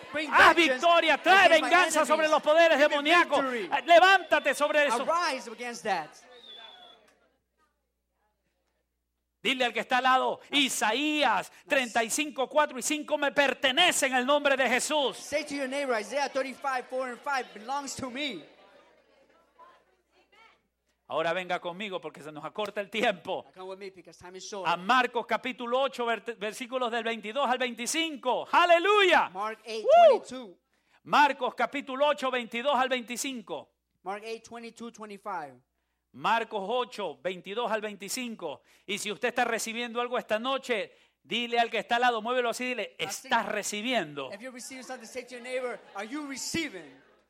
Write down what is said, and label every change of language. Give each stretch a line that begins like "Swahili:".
Spanish: Haz victoria, trae venganza sobre los poderes demoníacos. Levántate sobre eso.
English: Arise against that.
Spanish: Dile al que está al lado, Isaías 35, 4 y 5 me pertenece en el nombre de Jesús.
English: Say to your neighbor, Isaiah 35, 4 and 5 belongs to me.
Spanish: Ahora venga conmigo porque se nos acorta el tiempo.
English: Come with me because time is short.
Spanish: A Marcos capítulo 8, versículos del 22 al 25. ¡Aleluya!
English: Mark 8, 22.
Spanish: Marcos capítulo 8, 22 al 25.
English: Mark 8, 22, 25.
Spanish: Marcos 8, 22 al 25. Y si usted está recibiendo algo esta noche, dile al que está al lado, muévelo así, dile, estás recibiendo.
English: If you're receiving something, say to your neighbor, are you receiving?